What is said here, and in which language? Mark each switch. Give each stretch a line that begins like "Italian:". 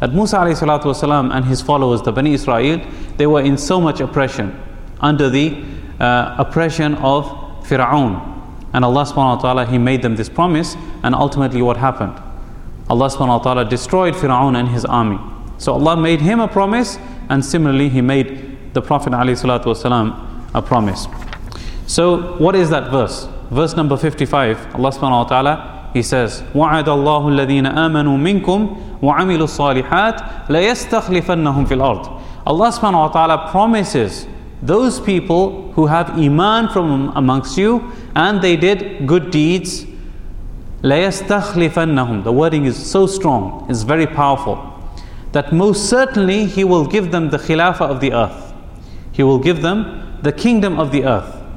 English: That Musa alayhi salatu wasalam and his followers, the Bani Israel, they were in so much oppression, under the oppression of Fir'aun. And Allah subhanahu wa ta'ala, He made them this promise, and ultimately what happened? Allah subhanahu wa ta'ala destroyed Fir'aun and his army. So Allah made him a promise, and similarly He made the Prophet alayhi salatu wasalam a promise. So what is that verse? Verse number 55, Allah subhanahu wa ta'ala, He says,
Arabic: وَعَدَ اللَّهُ الَّذِينَ آمَنُوا مِنْكُمْ وَعَمِلُوا الصَّالِحَاتِ لَيَسْتَخْلِفَنَّهُمْ فِي الْأَرْضِ.
English: Allah subhanahu wa ta'ala promises those people who have iman from amongst you and they did good deeds, لَيَسْتَخْلِفَنَّهُمْ. The wording is so strong, it's very powerful, that most certainly He will give them the khilafah of the earth. He will give them the kingdom of the earth.